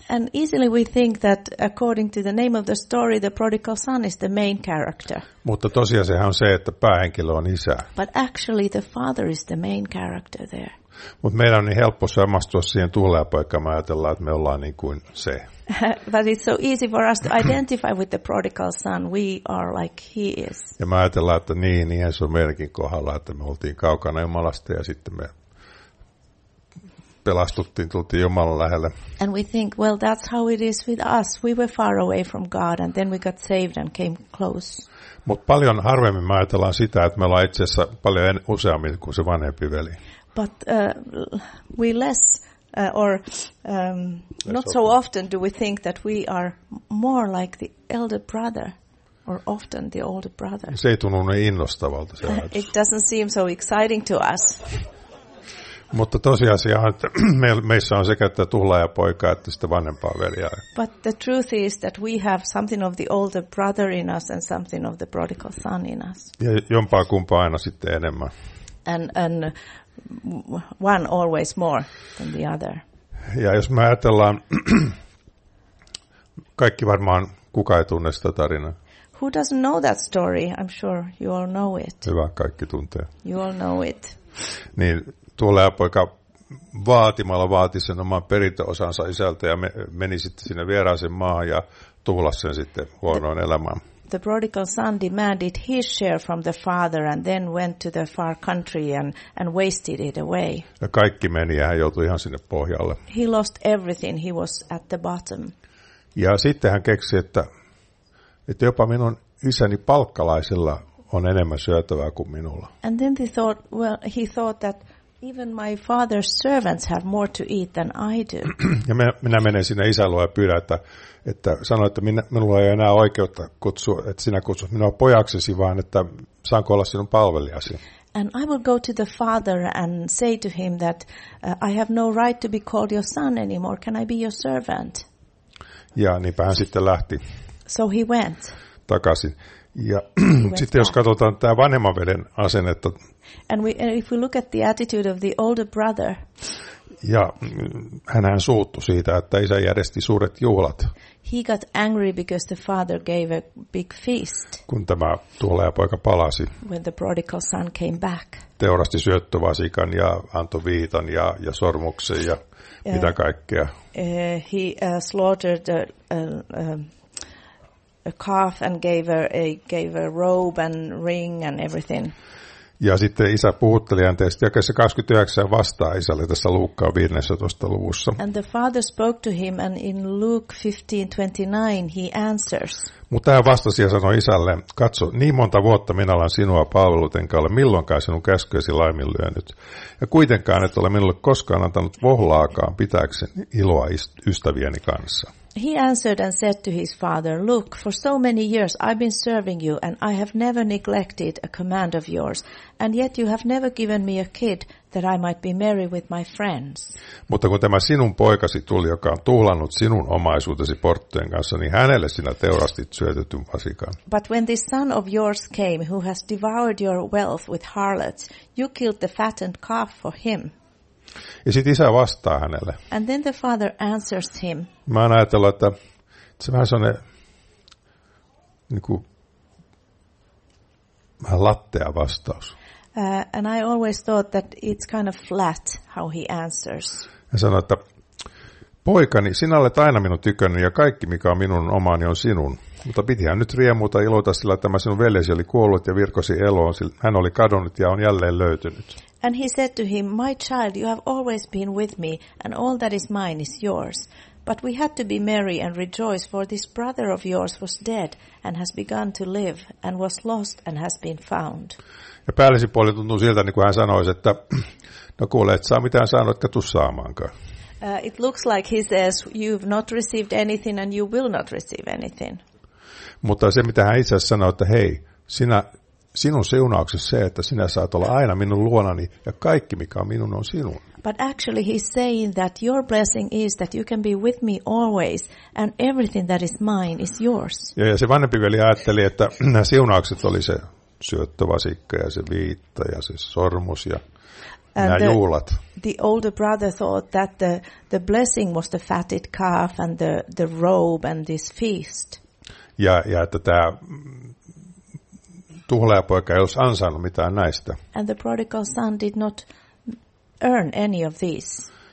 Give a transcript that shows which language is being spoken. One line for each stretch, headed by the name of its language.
English: And easily we think that according to the name of the story, the prodigal son is the main character.
Finnish: Mutta tosiaan sehän on se, että päähenkilö on isä.
English: But actually the father is the main character there.
Finnish: Mutta meillä on niin helppo samastua siihen tuhlaajapoikaan, me ajatellaan, että me ollaan niin kuin se.
English: But it's so easy for us to identify with the prodigal son. We are like he is.
Finnish: Ja me ajatellaan, että niin se on meidänkin kohdalla, että me oltiin kaukana Jumalasta ja sitten me pelastuttiin, tultiin Jumalan lähelle.
English: And we think, well, that's how it is with us. We were far away from God and then we got saved and came close.
Finnish: Mutta paljon harvemmin me ajatellaan sitä, että me ollaan itse asiassa paljon useammin kuin se vanhempi veli.
English: But we less or not so often do we think that we are more like the elder brother or often the older brother.
Finnish: Se ei tunnu niin innostavalta se ajatus.
English: It doesn't seem so exciting to us.
Finnish: Mutta tosiasia on, että meissä on sekä tämä tuhlaajapoika että sitä vanhempaa veljää.
English: But the truth is that we have something of the older brother in us and something of the prodigal son in us.
Finnish: Ja jompaa kumpaa aina sitten enemmän.
English: And one always more than the other.
Finnish: Ja jos me ajatellaan, kaikki varmaan, kuka ei tunne sitä tarinaa?
English: Who doesn't know that story? I'm sure you all know it.
Finnish: Hyvä, kaikki tuntee.
English: You all know it.
Finnish: Niin tuhlaajapoika vaatimalla vaati sen oman perintöosansa isältä ja meni sitten sinne vieraisen maahan ja tuhlasi sen sitten huonoon elämään.
English: The prodigal son demanded his share from the father and then went to the far country and wasted it away.
Finnish: Ja kaikki meni ja hän joutui ihan sinne pohjalle.
English: He lost everything, he was at the bottom.
Finnish: Ja sitten hän keksi, että jopa minun isäni palkkalaisilla on enemmän syötävää kuin minulla.
English: And then he thought that even my father's servants have more to eat than I do.
Finnish: Ja minä menen sinne isän luo ja pyydän, että sano, että minulla ei enää oikeutta kutsua, että sinä kutsut minua pojaksesi, vaan että saanko olla sinun palvelijasi.
English: And I will go to the father and say to him that I have no right to be called your son anymore. Can I be your servant?
Finnish: Ja niinpä hän sitten lähti.
English: So he went.
Finnish: Takaisin. Ja sitten jos katsotaan tämä vanhemman veden asennetta.
English: And if we look at the attitude of the older brother.
Finnish: Ja hänhän suuttu siitä, että isä järjesti suuret juhlat.
English: He got angry because the father gave a big feast.
Finnish: Kun tämä tuolea poika palasi.
English: When the prodigal son came back.
Finnish: Teurasti syöttövasikan ja antoi viitan ja sormuksen ja mitä kaikkea.
English: He slaughtered a calf and gave a robe and ring and everything.
Finnish: Ja sitten isä puhutteli anteesti, ja 29 vastaa isälle tässä Luukkaan 15. luvussa.
English: And the father spoke to him, and in Luke 15:29 he answers.
Finnish: Mutta hän vastasi ja sanoi isälle, katso, niin monta vuotta minä olen sinua palvellut, enkä ole milloinkaan sinun käskyäsi laiminlyönyt. Ja kuitenkaan et ole minulle koskaan antanut vohlaakaan pitääkseni iloa ystävieni kanssa.
English: He answered and said to his father, look, for so many years I've been serving you and I have never neglected a command of yours, and yet you have never given me a kid that I might be merry with my friends.
Finnish: Mutta kun tämä sinun poikasi tuli, joka on tuhlannut sinun omaisuutesi porttojen kanssa, niin hänelle sinä teurastit syötetyn vasikan.
English: But when this son of yours came, who has devoured your wealth with harlots, you killed the fattened calf for him.
Finnish: Ja sitten isä vastaa hänelle.
English: And then the father answers him.
Finnish: Mä oon ajatellut, että se vähän sellainen niin kuin, vähän lattea vastaus.
English: And I always thought that it's kind of flat how he answers.
Finnish: Ja sanoi, että poikani, sinä olet aina minun tyköni ja kaikki, mikä on minun omaani, on sinun. Mutta pitihän nyt riemuuta iloita sillä, että tämä sinun veljesi oli kuollut ja virkosi eloon. Hän oli kadonnut ja on jälleen löytynyt.
English: And he said to him, my child, you have always been with me, and all that is mine is yours. But we had to be merry and rejoice, for this brother of yours was dead, and has begun to live, and was lost, and has been found.
Finnish: Ja päällisin puolin tuntuu siltä, niin kuin hän sanoisi, että no kuule, et saa mitään saanut, etkä tuu saamaankaan.
English: It looks like he says, you've not received anything, and you will not receive anything.
Finnish: Mutta se, mitä hän itse asiassa sanoi, että hei, sinun siunauksesi se, että sinä saat olla aina minun luonani ja kaikki, mikä on minun, on sinun.
English: But actually he's saying that your blessing is that you can be with me always and everything that is mine is yours.
Finnish: Ja se vanhempi veli ajatteli, että nämä siunaukset oli se syöttövasikka ja se viitta ja se sormus ja nämä juulat.
English: The older brother thought that the blessing was the fatted calf and the robe and this feast.
Finnish: Ja että tämä tuhlaaja poika ei olisi ansainnut mitään näistä.
English: And the prodigal son did not earn any of these.